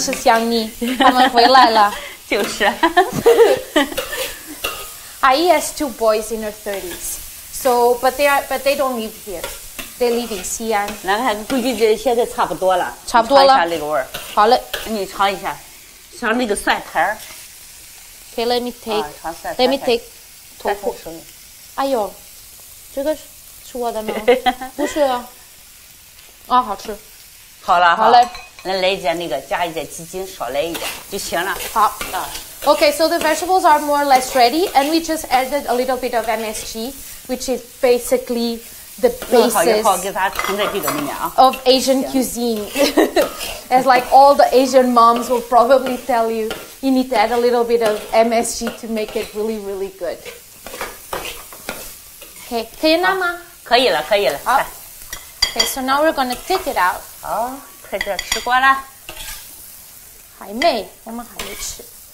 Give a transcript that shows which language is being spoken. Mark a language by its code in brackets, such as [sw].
[zh] 再凑一下这儿熟了以后咋着吧最后把那个鸡腿加进去行了好这里面其他的调料都不行了阿姨你的儿子在家吗没在家都在西安工作着对他们什么时候回来呢他们逢年过节的时候回来有事了再回来有事什么事是香蜜啊肯定是香蜜他们回来了就是 [en] Aiyi has two boys in her 30s, so but they don't live here. They live in Xi'an. [zh] 那还估计这现在差不多了。差不多了。尝一下那个味儿。好嘞。你尝一下，尝那个蒜苔儿。 [en] Okay, let me take [zh] 豆腐。哎呦，这个是我的吗？不是啊。啊，好吃。好了。好嘞。那来一点那个，加一点鸡精，少来一点就行了。好。啊。 [en] Okay, so the vegetables are more or less ready, and we just added a little bit of MSG, which is basically the basis of Asian cuisine. As like all the Asian moms will probably tell you, you need to add a little bit of MSG to make it really, really good. [zh] Okay, 可以了吗? 可以了,可以了。 [en] Okay, so now we're going to take it out. [zh] 好,快点吃过了。还没,我们还没吃。